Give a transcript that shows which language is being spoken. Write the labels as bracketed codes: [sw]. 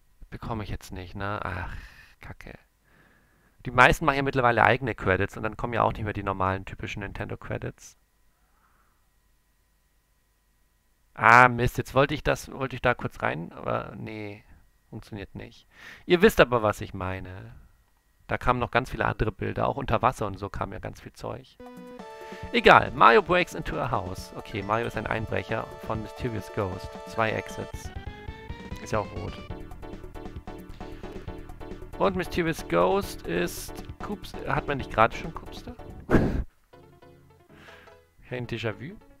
[de] Bekomme ich jetzt nicht, ne? Ach, Kacke. Die meisten machen ja mittlerweile eigene Credits und dann kommen ja auch nicht mehr die normalen, typischen Nintendo-Credits. Ah, Mist, jetzt wollte ich da kurz rein, aber nee, funktioniert nicht. Ihr wisst aber, was ich meine. Da kamen noch ganz viele andere Bilder, auch unter Wasser und so kam ja ganz viel Zeug. Egal, [en] Mario breaks into a house. [de] Okay, Mario ist ein Einbrecher von Mysterious Ghost. 2 Exits. Ist ja auch rot. Und Mysterious Ghost ist Hat man nicht gerade schon Kupste? Ein Déjà-vu?